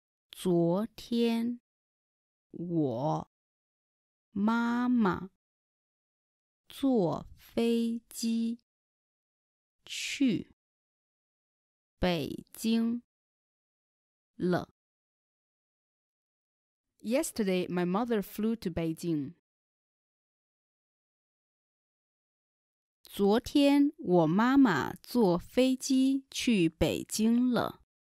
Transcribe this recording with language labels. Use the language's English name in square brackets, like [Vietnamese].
[Chinese] 昨天我妈妈坐飞机去北京了。 [English] Yesterday, my mother flew to Beijing. [Chinese] 昨天我妈妈坐飞机去北京了。